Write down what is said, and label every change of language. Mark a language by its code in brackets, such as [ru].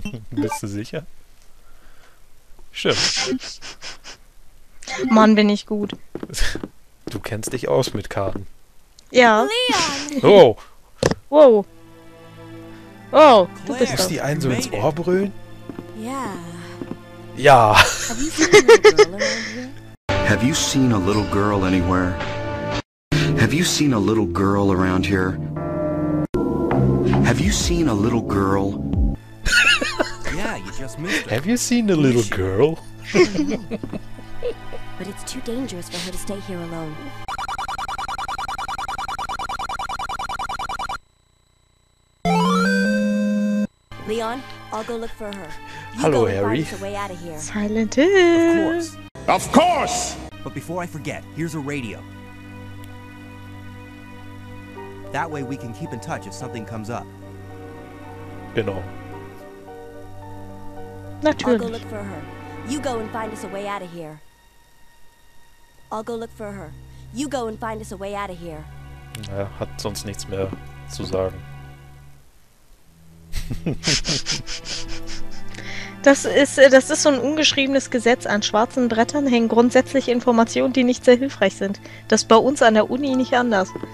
[de] Bist du sicher? Stimmt. Mann, bin ich gut. Du kennst dich aus mit Karten. Ja. Leon! Oh! Wow! Oh, du bist muss die einen so ins Ohr brüllen? Ja. Ja. [en] Have you seen a little girl anywhere? Have you seen a little girl around here? Have you seen a little girl? Yeah, you just missed her. Have you seen a little girl? But it's too dangerous for her to stay here alone. Leon, I'll go look for her. Hello, Harry. Way out of here. Silent Hill. Of course. Of course! But before I forget, here's a radio. That way we can keep in touch if something comes up. [de] Genau. Natürlich. [en] I'll go look for her. You go and find us a way out of here. I'll go look for her. You go and find us a way out of here. [de] Ja, hat sonst nichts mehr zu sagen. Das ist so ein ungeschriebenes Gesetz. An schwarzen Brettern hängen grundsätzlich Informationen, die nicht sehr hilfreich sind. Das ist bei uns an der Uni nicht anders.